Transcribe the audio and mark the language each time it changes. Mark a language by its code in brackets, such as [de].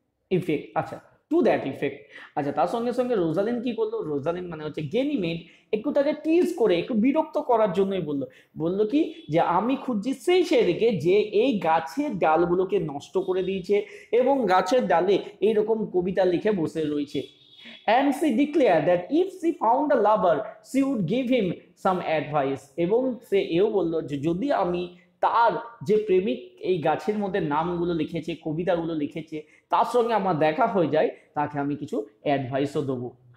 [bn] Effect, আচ্ছা to that effect, আচ্ছা তার সঙ্গে সঙ্গে রোজালিন কী করলো, রোজালিন মানে হচ্ছে গেনিমেড, একটু তাকে টিজ করে, একটু বিরক্ত করার জন্যই বললো, বললো কি যে আমি খুঁজছি সেই সেদিকে যে এই গাছের ডালগুলোকে নষ্ট করে দিয়েছে এবং গাছের ডালে এইরকম কবিতা লিখে বসে রয়েছে। [en] And she declared that if she found a lover, she would give him some advice. [bn] এবং সে এও বললো যে যদি আমি তার যে প্রেমিক এই গাছের মধ্যে নামগুলো লিখেছে, কবিতাগুলো লিখেছে, তার সঙ্গে আমার দেখা হয়ে যায়, তাকে আমি কিছু অ্যাডভাইসও দেবো।